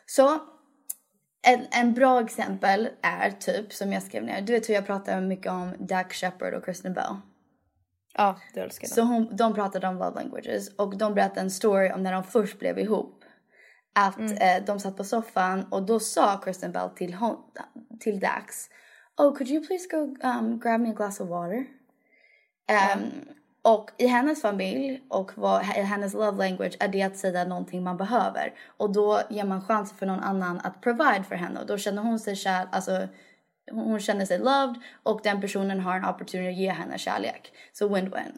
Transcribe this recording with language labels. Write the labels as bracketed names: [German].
[Swedish] Så en bra exempel är typ som jag skrev ner. Du vet hur jag pratade mycket om Dax Shepard och Kristen Bell. Ja, det älskar jag. Så de pratade om love languages. Och de berättade en story om när de först blev ihop. Att de satt på soffan och då sa Kristen Bell till Dax. [English] Oh, could you please go grab me a glass of water? [Swedish] Och i hennes familj och vad, i hennes love language är det att säga någonting man behöver. Och då ger man chans för någon annan att provide för henne. Och då känner hon sig kär, alltså hon känner sig loved. Och den personen har en opportunity att ge henne kärlek. Så win-win.